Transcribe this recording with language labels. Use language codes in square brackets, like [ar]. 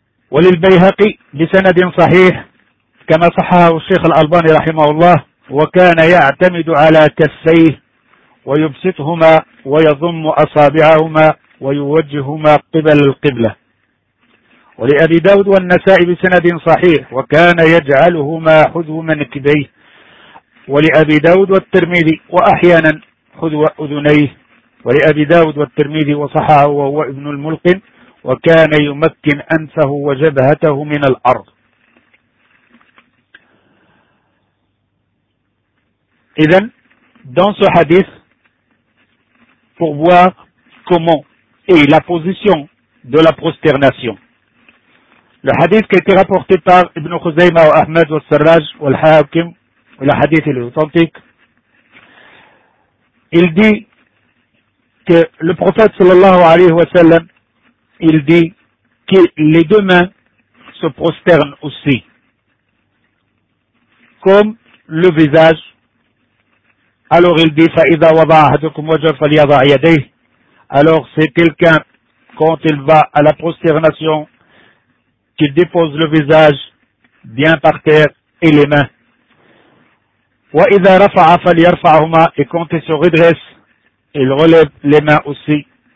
[ar] وللبيهقي بسند صحيح كما صححه الشيخ الألباني رحمه الله وكان يعتمد على كفيه ويبسطهما ويضم أصابعهما ويوجههما قبل القبلة ولأبي داود والنسائي بسند صحيح وكان يجعلهما حذو منكبيه ولأبي داود والترمذي وأحيانا حذو أذنيه ولأبي داود والترمذي وصححه وهو ابن الملقن وكان يمكن أنفه وجبهته من الأرض. [fr] إذن dans ce hadith, pour voir comment est la position de la prosternation. Le hadith qui a été rapporté par Ibn Khuzaymah ou Ahmed ou Sarraj ou Al-Hakim, le hadith est authentique. Il dit que le prophète sallallahu alayhi wa sallam, il dit que les deux mains se prosternent aussi, comme le visage. Alors il dit, [ar] فَإِذَا وَضَعَ أَحَدُكُمْ وَجْهَهُ فَلْيَضَعْ يَدَيْهِ. [fr] Alors c'est quelqu'un, quand il va à la prosternation, qu'il dépose le visage bien par terre et les mains. [ar] وَإِذَا رَفَعَ فَلْيَرْفَعْهُمَا. [fr] Et quand il se redresse, il relève les mains aussi.